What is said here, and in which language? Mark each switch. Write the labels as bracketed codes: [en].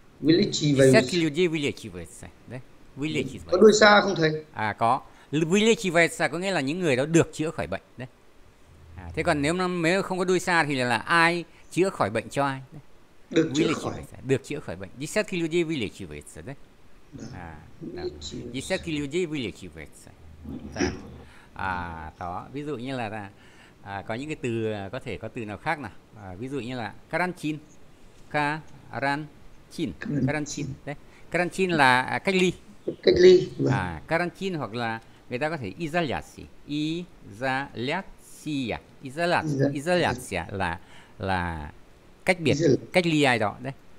[ru] Десятки людей вылечиваются. Да. [vi] Có đuôi sa không thầy? À có. [ru] Вылечивается [vi] có nghĩa là những người đó được chữa khỏi bệnh đấy. À, thế còn nếu nếu không có đuôi sa thì là ai chữa khỏi bệnh cho ai? Đấy. Được chữa khỏi. Được chữa khỏi bệnh. [ru] Десятки людей вылечиваются đấy. À. Десятки людей вылечиваются. [vi] À, đó. Ví dụ như là có những cái từ có thể có từ nào khác nào? À, ví dụ như là карантин. [ru] Карантин. Карантин. Đấy. [vi] Карантин là cách ly. Cách ly. À, карантин hoặc là người ta có thể изоляция là cách biệt, cách ly ai đó đấy.